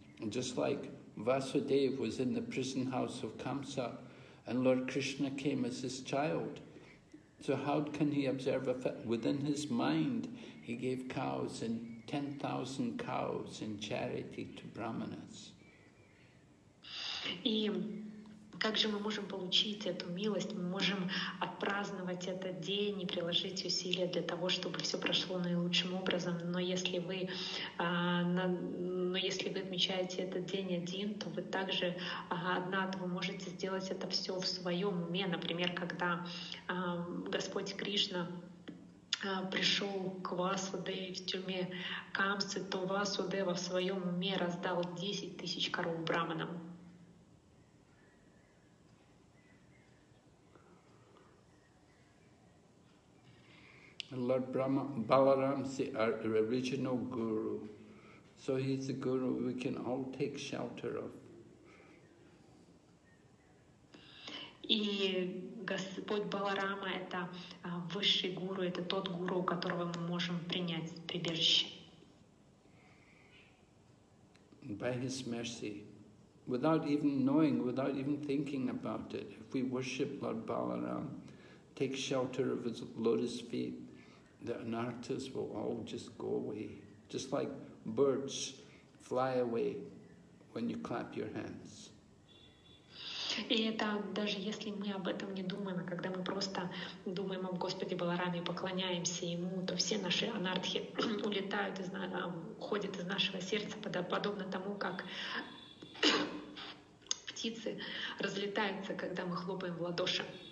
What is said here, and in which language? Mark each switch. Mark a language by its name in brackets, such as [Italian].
[English] And just like Vasudeva was in the prison house of Kamsa, and Lord Krishna came as his child. So how can he observe within his mind? He gave cows and 10,000 cows in charity to brahmanas. [Russian] И как же мы можем получить эту милость? Мы можем отпраздновать этот день и приложить усилия для того, чтобы все прошло наилучшим образом. Но если вы отмечаете этот день один, то вы также одна, то вы можете сделать это все в своем уме. Например, когда Господь Кришна пришел к Васудеве в тюрьме Камсы, то Васудева в своем уме раздал 10,000 коров браманам. [English] Lord Brahma, Balaram is the original guru, so he's the guru we can all take shelter of. [Russian] И Господь Баларама – это высший гуру, это тот гуру, у которого мы можем принять прибежище. [English] By his mercy, without even knowing, without even thinking about it, if we worship Lord Balaram, take shelter of his lotus feet, the anarthas will all just go away, just like birds fly away when you clap your hands. [Russian] И это даже если мы об этом не думаем, а когда мы просто думаем о Господе Балараме, поклоняемся Ему, то все наши анартхи улетают, уходят из нашего сердца, подобно тому, как птицы разлетаются, когда мы хлопаем в ладоши.